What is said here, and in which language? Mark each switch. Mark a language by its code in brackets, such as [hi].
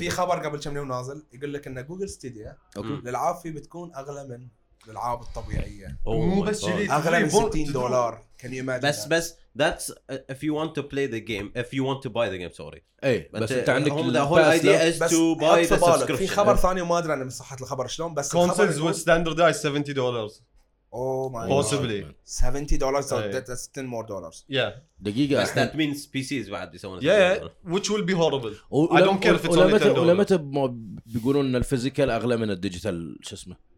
[ar] Yes, في خبر قبل كم يوم نازل يقول لك إن جوجل ستيديا للألعاب فيه بتكون أغلى من الألعاب الطبيعية. Oh مو بس أغلى من [en] $60. Can you imagine? بس that? بس that's if you want to play the game, if you want to buy the game, sorry. [ar] إيه. بس أنت عندك [en] the whole idea is to buy the subscription. [ar] في خبر ثاني وما أدري أنا من صحة الخبر شلون بس. [en] Consoles with standard is $70. Oh my possibly. God. $70 or yeah. That's $10 more. Yeah. The giga. Yes, that means PCs [ar] بعد بيسوون. [en] Yeah, yeah. Which will be horrible. I don't care if it's only $10. [ar] ولمتى ما بيقولون إن الفيزيكال أغلى من الديجيتال شو اسمه؟